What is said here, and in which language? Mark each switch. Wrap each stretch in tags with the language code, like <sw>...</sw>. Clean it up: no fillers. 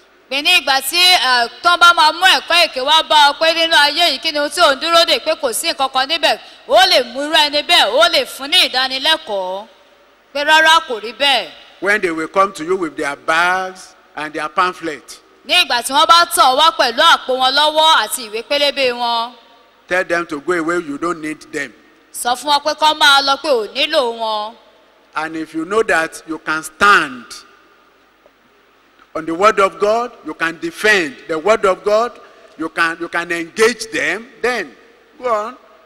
<yo>Bẹ́ẹ̀ni ìgbà tí tó bá máa mú ẹ̀kọ́ èké wá bá ọ pé nínú ayé yìí kí ni ohun tí ò ń dúró dè pé kò sí kankan níbẹ̀, ó lè mú irú ẹni bẹ́ẹ̀, ó lè fún ní ìdánilẹ́kọ̀ọ́ pé rárá kò rí bẹ́ẹ̀.</yo> <en>When they will come to you with their bags and their pamphlets.</en> <yo>Ní ìgbà tí wọ́n bá tọ̀ wá pẹ̀lú àpò wọn lọ́wọ́ àti ìwé pélébé wọn.</yo> <en>Tell them to go away, you don't need them.</en> <yo>Sọ fún wọn pé kán máa lọ pé ò nílò wọn.</yo> <en>And if you know that you can stand on the word of God, you can defend the word of God, you can engage them, then go on.</en>